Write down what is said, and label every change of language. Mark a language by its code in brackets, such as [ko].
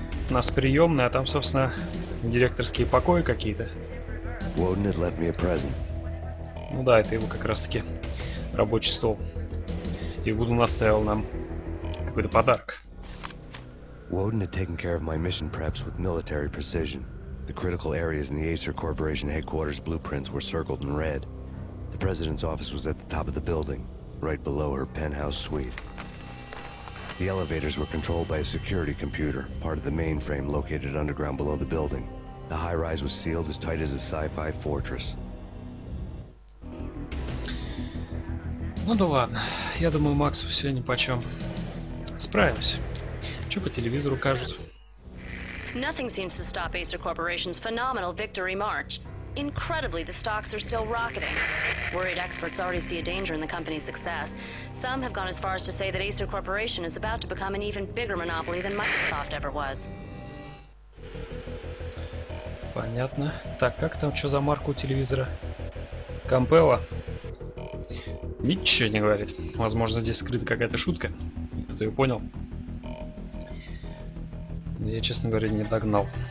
[ru] У нас приемная, а там, собственно, директорские покои какие-то. [en] Woden had left me a present. [ru] Ну да, это его как раз-таки рабочий стол. И Woden оставил нам какой-то подарок. [en] Woden had taken care of my mission preps with military precision. The critical areas in the Acer Corporation headquarters blueprints were circled in red. The president's office was at the top of the building, right below her penthouse suite. The elevators were controlled by a security computer, part of the mainframe located underground below the building. The high-rise was sealed as tight as a sci-fi fortress. [ru] Ну да ладно. Я думаю, Максу все нипочем. Справимся. Что по телевизору кажут? [en] Nothing seems to stop Acer Corporation's phenomenal victory march. Incredibly, the stocks are still rocketing. Worried experts already see a danger in the company's success. Some have gone as far as to say that Acer Corporation is about to become an even bigger monopoly than Microsoft ever was. [ru] Понятно. Так, как там, что за марка у телевизора? Компелла? Ничего не говорит. Возможно, здесь скрыта какая-то шутка. Кто ее понял? Я, честно говоря, не догнал.